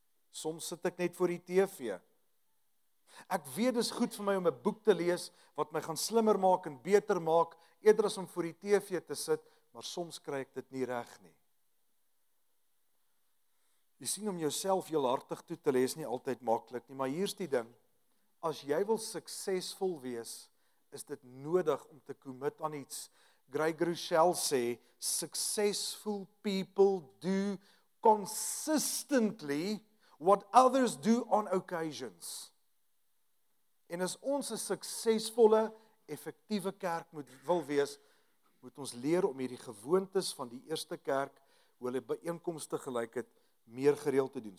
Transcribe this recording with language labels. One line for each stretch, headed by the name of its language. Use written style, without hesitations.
Afrikaans: Soms sit ek net voor die TV. Ek weet dis goed vir my om 'n boek te lees wat my gaan slimmer maak en beter maak eerder as om voor die TV te sit, maar soms kry ek dit nie reg nie. Jy sien, om jouself heelhartig toe te lê is nie altyd maklik nie, maar hier's die ding. As jy wil suksesvol wees, is dit nodig om te commit aan iets.
English: Greg Rochel sê, successful people do consistently what others do on occasions.
Afrikaans: En as ons 'n suksesvolle, effektiewe kerk wil wees, moet ons leer om hierdie gewoontes van die eerste kerk, hoe hulle byeenkomste gelyk het, meer gereeld te doen.